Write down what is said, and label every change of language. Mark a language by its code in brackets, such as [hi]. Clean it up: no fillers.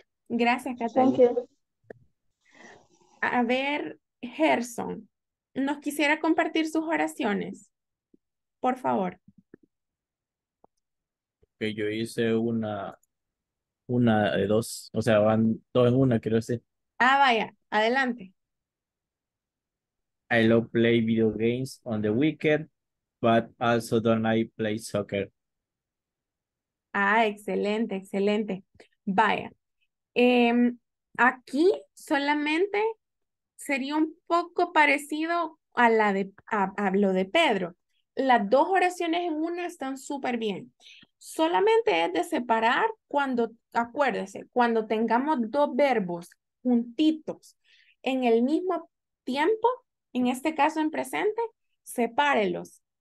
[es] Gracias, Catalina. A ver, Gerson, ¿nos quisiera compartir sus oraciones? Por favor. porque yo hice una de dos, o sea, van dos en una, quiero decir. Ah, vaya, adelante. [en] I love play video games on the weekend, but also don't I play soccer. [es] Ah, excelente, excelente. Vaya, aquí solamente sería un poco parecido a la de a lo de Pedro. Las dos oraciones en una están súper bien. Solamente es de separar cuando, acuérdese, cuando tengamos dos verbos juntitos en el mismo tiempo, en este caso en presente, sepárelos.